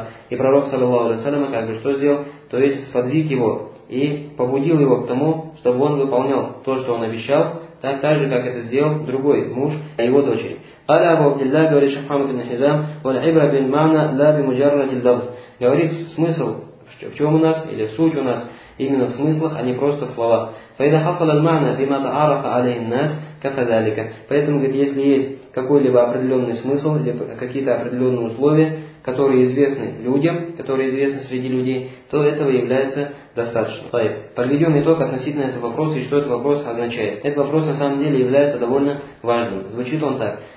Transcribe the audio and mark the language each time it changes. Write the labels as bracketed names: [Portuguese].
[Russian] И пророк, саллаллаху алейхи ва саллям, как бы что сделал? То есть сподвиг его и побудил его к тому, чтобы он выполнял то, что он обещал, так же, как это сделал другой муж его дочери. [Arabic] قال أبو عبد الله [Russian] говорит [Arabic] شيخ محمد بن حزام والعبرة بالمعنى لا بمجرد اللفظ. [Russian] Говорит смысл в чем у нас или суть у нас именно в смыслах, а не просто в словах. [Arabic] فإذا حصل المعنى بما تعرف عليه الناس كذلك. [Russian] Поэтому говорит, если есть какой-либо определенный смысл или какие-то определенные условия, которые известны людям, которые известны среди людей, то этого является достаточно. Подведем итог относительно этого вопроса и что этот вопрос означает. Этот вопрос на самом деле является довольно важным. Звучит он так.